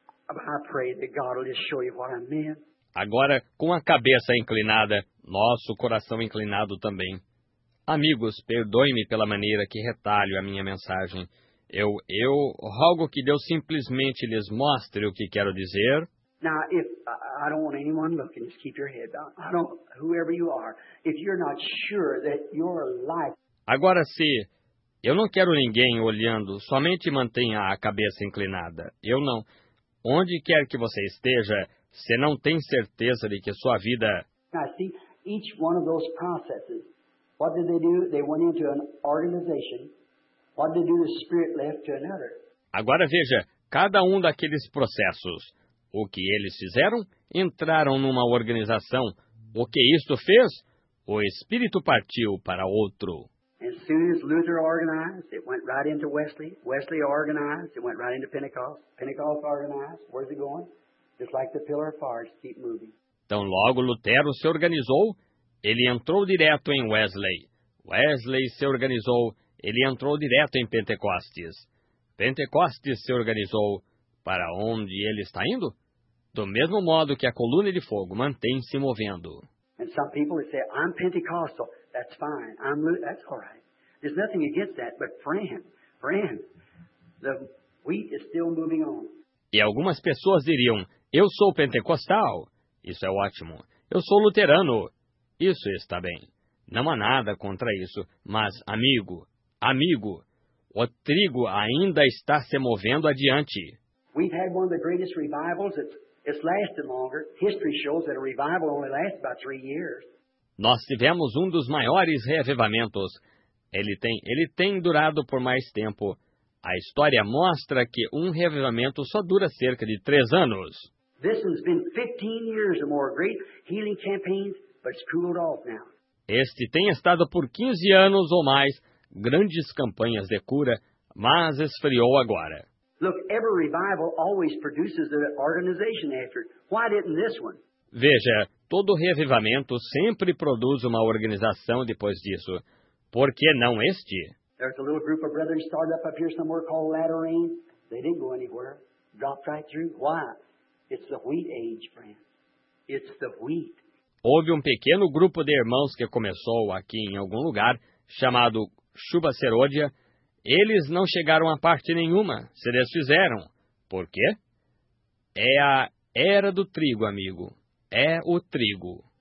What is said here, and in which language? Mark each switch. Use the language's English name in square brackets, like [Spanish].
[English] I pray that God will just show you what I meant. [Portuguese] Agora, com a cabeça inclinada, nosso coração inclinado também. Amigos, perdoe-me pela maneira que retalho a minha mensagem. Eu rogo que Deus simplesmente lhes mostre o que quero dizer. [English] Now, if I don't want anyone looking, just keep your head down. I don't, whoever you are, if you're not sure that your life... [Portuguese] Agora, se eu não quero ninguém olhando, somente mantenha a cabeça inclinada. Eu não. Onde quer que você esteja, se não tem certeza de que sua vida... [English] Now, see, each one of those processes, what did they do? They went into an organization. What did they do? The Spirit left to another. [Portuguese] Agora veja, cada um daqueles processos, o que eles fizeram, entraram numa organização. O que isto fez? O Espírito partiu para outro. [English] As soon as Luther organized, it went right into Wesley. Wesley organized, it went right into Pentecost. Pentecost organized, where's it going? Just like the pillar of fire, keep moving. [Portuguese] Então logo Lutero se organizou, ele entrou direto em Wesley. Wesley se organizou, ele entrou direto em Pentecostes. Pentecostes se organizou, para onde ele está indo? Do mesmo modo que a coluna de fogo mantém-se movendo. [English] And some people would say, I'm Pentecostal, that's fine, that's all right. There's nothing against that, but friend, the wheat is still moving on. [Portuguese] E algumas pessoas diriam, eu sou pentecostal, isso é ótimo, eu sou luterano, isso está bem. Não há nada contra isso, mas amigo, o trigo ainda está se movendo adiante. [English] We've had one of the greatest revivals, it's lasted longer. History shows that a revival only lasts about 3 years. [Portuguese] Nós tivemos um dos maiores reavivamentos. Ele tem durado por mais tempo. A história mostra que um reavivamento só dura cerca de 3 anos. [English] This has been 15 years or more, great healing campaigns, but it's cooled off now. [Portuguese] Este tem estado por 15 anos ou mais, grandes campanhas de cura, mas esfriou agora. [English] Look, every revival always produces an organization after it. Why didn't this one? [Portuguese] Veja, todo reavivamento sempre produz uma organização depois disso. Por que não este? [English] There's a little group of brothers started up here somewhere called Latter Rain. They didn't go anywhere. Dropped right through. Why? It's the wheat age, friends. It's the wheat. [Portuguese] Houve um pequeno grupo de irmãos que começou aqui em algum lugar, chamado Chuva Serodia. Eles não chegaram a parte nenhuma, se desfizeram. Por quê? É a era do trigo, amigo. É o trigo.